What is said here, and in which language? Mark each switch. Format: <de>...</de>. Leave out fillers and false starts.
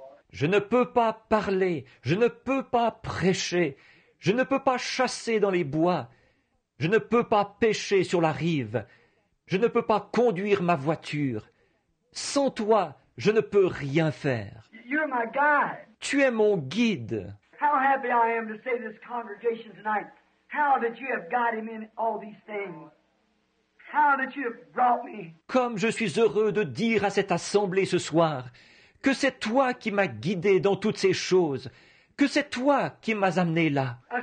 <fr>Je ne peux pas parler, je ne peux pas prêcher, je ne peux pas chasser dans les bois, je ne peux pas pêcher sur la rive, je ne peux pas conduire ma voiture. Sans toi, je ne peux rien faire.</fr> <en>You're my guide.</en> <fr>Tu es mon guide.</fr> <en>How happy I am to say this congregation tonight. How that you have guided me in all these things. How that you have brought me.</en> <fr>Comme je suis heureux de dire à cette assemblée ce soir que c'est toi qui m'as guidé dans toutes ces choses, que c'est toi qui m'as amené là.</fr>